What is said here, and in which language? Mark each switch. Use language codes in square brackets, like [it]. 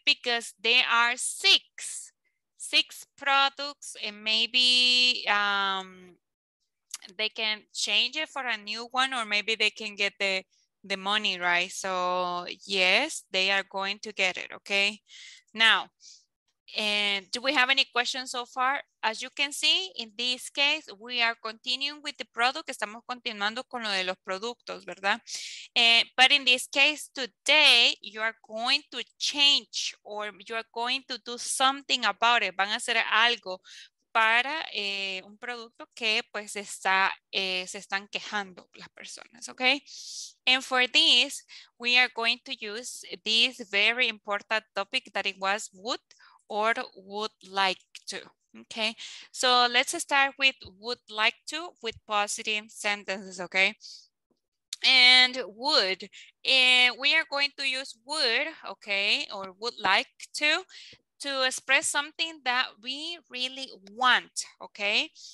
[en] Because there are six products, and maybe they can change it for a new one, or maybe they can get the money, right? So yes, they are going to get it, okay? Now, and do we have any questions so far? As you can see, in this case, we are continuing with the product. [es] Estamos continuando con lo de los productos, ¿verdad? [en] But in this case, today, you are going to change, or you are going to do something about it. [es] Van a hacer algo para un producto que pues está, se están quejando las personas, okay? [en] And for this, we are going to use this very important topic that it was would or would like to, okay? So let's start with would like to with positive sentences, okay? And would, we are going to use would, okay, or would like to express something that we really want, okay?